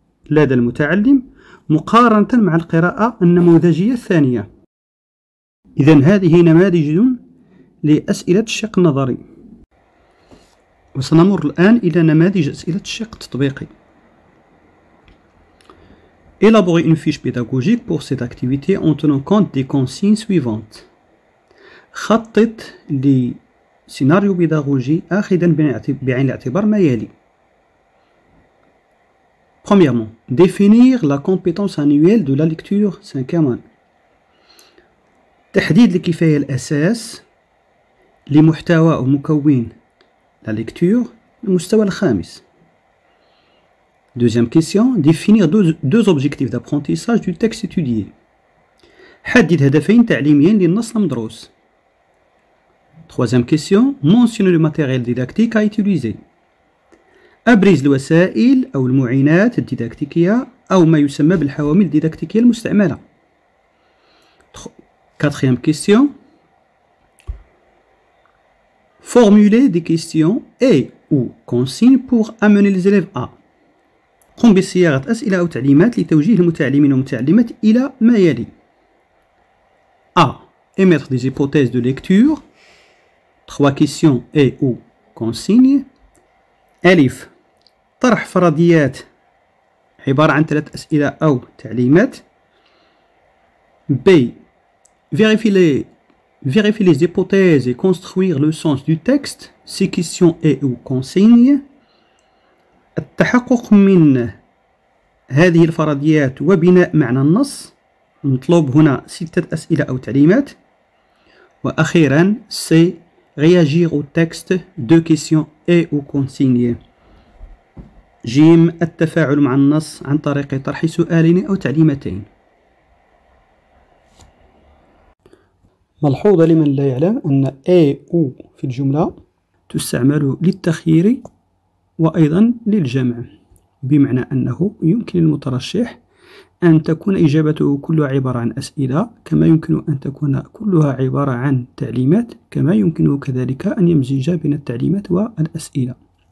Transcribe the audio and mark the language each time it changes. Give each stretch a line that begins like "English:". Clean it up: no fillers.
Arabic: لدى المتعلم مقارنة مع القراءة النموذجية الثانية؟ إذن هذه نماذج لأسئلة الشق النظري، وسنمر الآن إلى نماذج أسئلة الشق التطبيقي.
French: Élaborer une fiche pédagogique pour cette activité en tenant compte des consignes suivantes.
Arabic: خطط لسيناريو بيداغوجي أخذا بعين الاعتبار ما يلي.
French: Premièrement, définir la compétence annuelle de la lecture 5e année.
Arabic: تحديد الكفاية الأساس لمحتوى أو مكون la lecture المستوى 5.
French: Deuxième question, définir deux objectifs d'apprentissage du texte étudié.
Arabic: حدد هدفين تعليميين للنص المدروس.
French: Troisième question, mentionner le matériel didactique à utiliser.
Arabic: أبرز الوسائل أو المعينات الديداكتيكية أو ما يسمى بالحوامل الديداكتيكية المستعملة.
French: Quatrième question. Formuler des questions et ou consignes pour amener les élèves à.
Arabic: قم بصياغة أسئلة أو تعليمات لتوجيه المتعلمين والمتعلمات إلى ما يلي.
French: A. Émettre des hypothèses de lecture. Trois questions et ou consignes. Alif.
Arabic: طرح فرضيات عبارة عن 3 أسئلة أو تعليمات.
French: B. Vérifier les hypothèses et construire le sens du texte. Ces questions et ou consignes.
Arabic: التحقق من هذه الفرضيات وبناء معنى النص. نطلب هنا 6 أسئلة أو تعليمات. وأخيرا C.
French: Réagir au texte. 2 questions et ou consignes.
Arabic: جيم التفاعل مع النص عن طريق طرح سؤالين أو تعليمتين. ملحوظة لمن لا يعلم أن A و في الجملة تستعمل للتخيير وأيضا للجمع، بمعنى أنه يمكن للمترشح أن تكون إجابته كلها عبارة عن أسئلة، كما يمكن أن تكون كلها عبارة عن تعليمات، كما يمكنه كذلك أن يمزج بين التعليمات والأسئلة.